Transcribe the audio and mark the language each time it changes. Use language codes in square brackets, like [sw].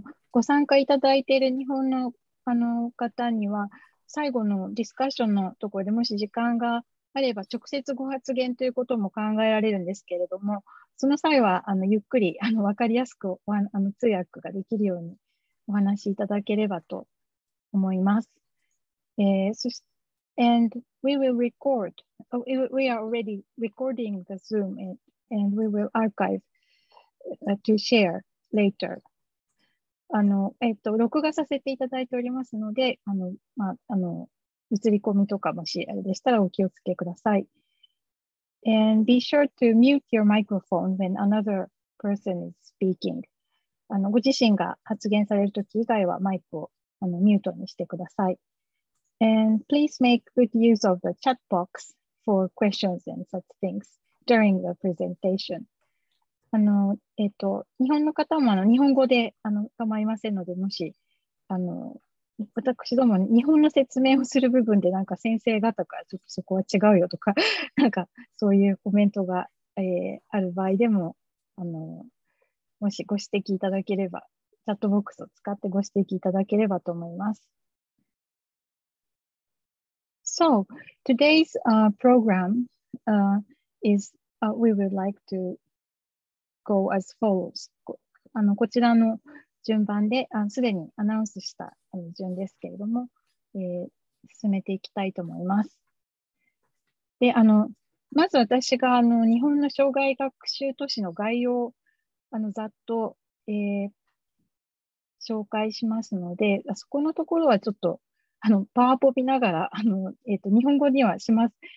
[ja] ご参加いただいている日本の方には最後のディスカッションのところでもし時間があれば直接ご発言ということも考えられるんですけれども、その際はゆっくり分かりやすく通訳ができるようにお話しいただければと思います。 [en] And we will record, we are already recording the Zoom and we will archive to share later. [ja] 録画させていただいておりますので、映り込みとかもしあれでしたらお気をつけください。 [en] And be sure to mute your microphone when another person is speaking. [ja] ご自身が発言されるとき以外はマイクをミュートにしてください。 [en] And please make good use of the chat box for questions and such things during the presentation. [ja] 日本の方も日本語で構いませんので、もし私ども日本の説明をする部分でなんか先生方からちょっとそこは違うよとかなんかそういうコメントが、ある場合でも、もしご指摘いただければチャットボックスを使ってご指摘いただければと思います。 [en] So today's program is we would like toGo as follows. [ja] こちらの順番で、すでにアナウンスした順ですけれども、進めていきたいと思います。で、まず私が日本の障害学習都市の概要をざっと、紹介しますので、そこのところはちょっとパワポ見ながら日本語にはします。